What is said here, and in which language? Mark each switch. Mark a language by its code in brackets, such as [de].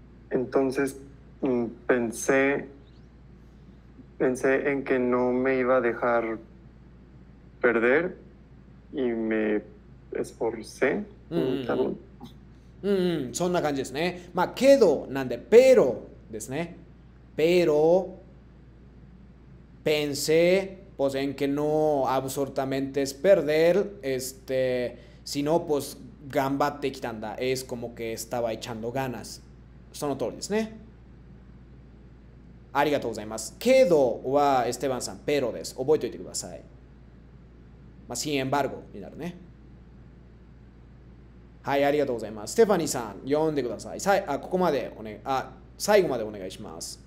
[es] Entonces pensé en que no me iba a dejar perder y me esforcé también. [ja] そんな感じですね。まあ、けどなんで、pero ですね。 [es] pero pensé pues en que no absolutamente es perder, sino pues [ja] gambatte kitanda, [es] es como que estaba echando ganas. [ja] その通りですね。ありがとうございます。けどはエステバンさん、pero です。覚えておいてください。まあ、 [es] sin embargo [ja] になるね。はい、ありがとうございます。ステファニーさん、読んでください。ここまで、最後までお願いします。